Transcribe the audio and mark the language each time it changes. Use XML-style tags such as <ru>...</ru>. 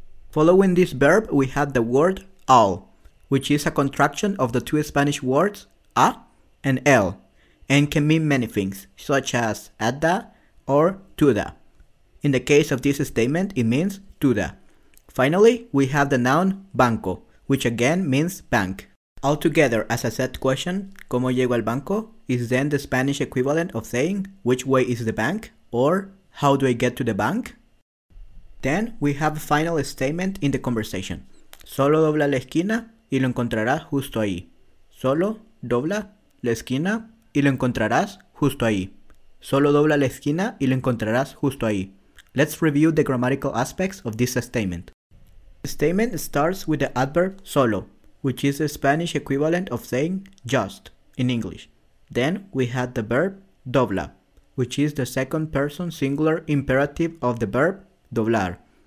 <en>Following this verb, we have the word al, which is a contraction of the two Spanish words a and el, and can mean many things, such as at the or to the. In the case of this statement, it means to the. Finally, we have the noun banco, which again means bank. Altogether, as a set question,</en> <es>¿cómo llego al banco?</es> <en>Is then the Spanish equivalent of saying, which way is the bank? Or, how do I get to the bank? Then, we have a final statement in the conversation.</en> <es>Solo dobla la esquina y lo encontrarás justo ahí. Solo dobla la esquina y lo encontrarás justo ahí. Solo dobla la esquina y lo encontrarás justo ahí.</es> <en>Let's review the grammatical aspects of this statement. The statement starts with the adverb solo, which is the Spanish equivalent of saying just in English. Then we have the verb dobla, which is the second person singular imperative of the verb doblar.</en>